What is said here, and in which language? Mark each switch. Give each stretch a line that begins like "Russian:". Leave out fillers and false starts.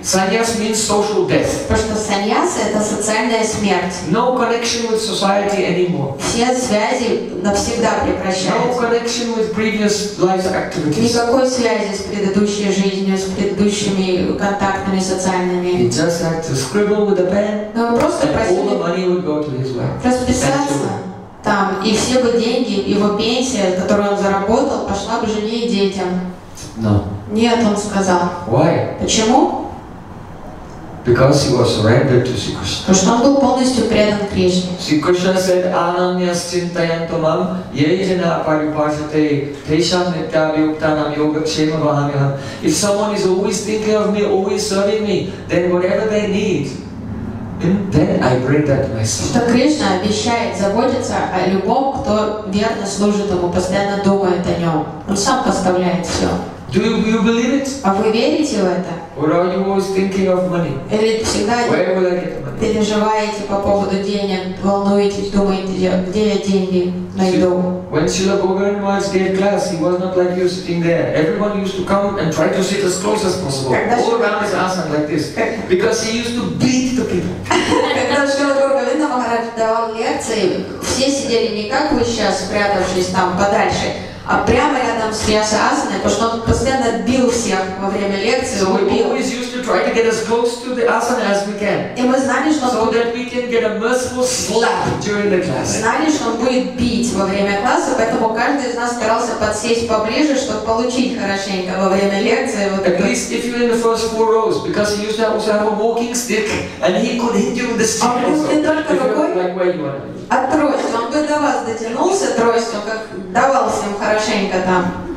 English: Саньяс means social death.
Russian: Потому что саньяса — это социальная смерть.
English: No connection with society anymore.
Russian: Все связи навсегда прекращаются.
English: No connection with previous life activities.
Russian: Никакой связи с предыдущей жизнью, с предыдущими контактами социальными.
English: He just had to scribble with a pen.
Russian: Но он просто просил расписаться там, и все бы деньги, его пенсия, которую он заработал, пошла бы жене и детям.
English: No.
Russian: Нет, он сказал.
English: Why?
Russian: Почему?
English: Because he was surrendered to Sri Krishna.
Russian: Потому что он был полностью предан Кришне.
English: Sri Krishna said,
Sanskrit: "Ananyas cintayantamam, yejana paripasate, tesham nityabhyuktanam yogakshema vahamyaham."
English: If someone is always thinking of me, always serving me, then whatever they need, then I bring that to myself.
Russian: Что Кришна обещает, заботится о любом, кто верно служит ему, постоянно думает о нем. Он сам поставляет все.
English: Do you believe it?
Russian: А вы верите в это?
English: Or are you always thinking of money?
Russian: Или всегда
English: where will I get the money?
Russian: Переживаете по поводу денег, волнуетесь, думаете, где я деньги найду?
English: When Srila Govinda gave class, he was not like you sitting there. Everyone used to come and try to sit as close as possible. All around his asana like this. Because he used to beat the people.
Russian: Когда Srila Govinda Maharaj давал лекции, все сидели не как вы сейчас, спрятавшись там подальше, а прямо рядом с Риаса Асаной, потому что он постоянно бил всех во время лекции.
English: So we always used to try to get as close to the asana as we can.
Russian: И мы знали, что
English: so that we can get a merciful slap during the class.
Russian: Знали, что он будет бить во время класса, поэтому каждый из нас старался подсесть поближе, чтобы получить хорошенько во время лекции. Вот
English: at least if you're in the first four rows, because he used to also have a walking stick, and he could hit you with the stick.
Russian: А может не только рукой?
English: Like where you are.
Russian: А тростью, он бы до вас дотянулся тростью, как давался им хорошенько там.